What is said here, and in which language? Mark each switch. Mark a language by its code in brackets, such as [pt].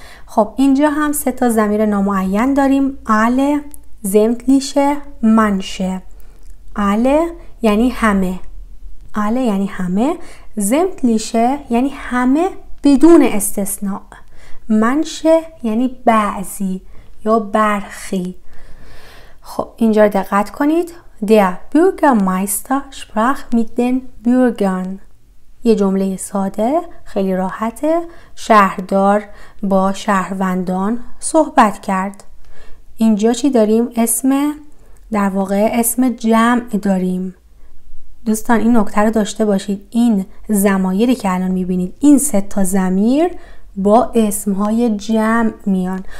[fa] خب اینجا هم 3 تا ضمیر نامعین داریم. آله زمتلیشه منشه، آله یعنی همه، آله یعنی همه، زمتلیشه یعنی همه بدون استثناء، منشه یعنی بعضی یا برخی. خب اینجا دقت کنید. [de] Der Bürgermeister sprach mit den Bürgern. [fa] یه جمله ساده، خیلی راحته. شهردار با شهروندان صحبت کرد. اینجا چی داریم؟ اسم، در واقع اسم جمع داریم. دوستان این نکته رو داشته باشید، این ضمایری که الان میبینید، این 3 تا ضمیر با اسمهای جمع میان.